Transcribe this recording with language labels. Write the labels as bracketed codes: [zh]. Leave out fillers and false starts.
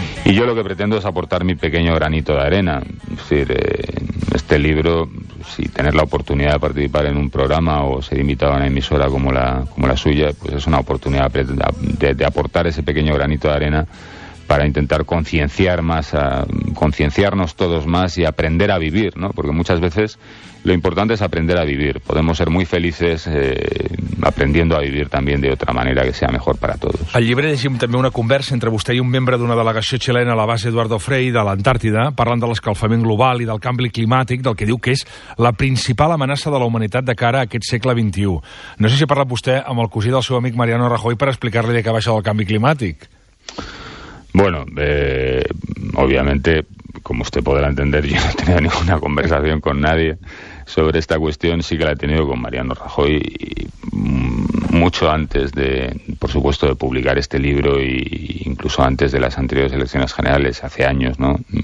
[es] Y yo lo que pretendo es aportar mi pequeño granito de arena. Es decir, este libro, si tener la oportunidad de participar en un programa o ser invitado a una emisora como la suya, pues es una oportunidad de aportar ese pequeño granito de arena para intentar concienciarnos todos más y aprender a vivir, ¿no? Porque muchas veces lo importante es aprender a vivir. Podemos ser muy felices aprendiendo a vivir también de otra manera que sea mejor para todos. [ca] Al llibre llegim també una conversa entre vostè i un membre d'una delegació xilena a la base Eduardo Frei de l'Antàrtida, parlant de l'escalfament global i del canvi climàtic, del que diu que és la principal amenaça de la humanitat de cara a aquest segle XXI. No sé si ha parlat vostè amb el cosí del seu amic Mariano Rajoy per explicar-li de què va això del canvi climàtic. [es] Bueno, obviamente, como usted podrá entender, yo no he tenido ninguna conversación con nadie sobre esta cuestión. Sí que la he tenido con Mariano Rajoy y mucho antes de, por supuesto, de publicar este libro e incluso antes de las anteriores elecciones generales, hace años, ¿no?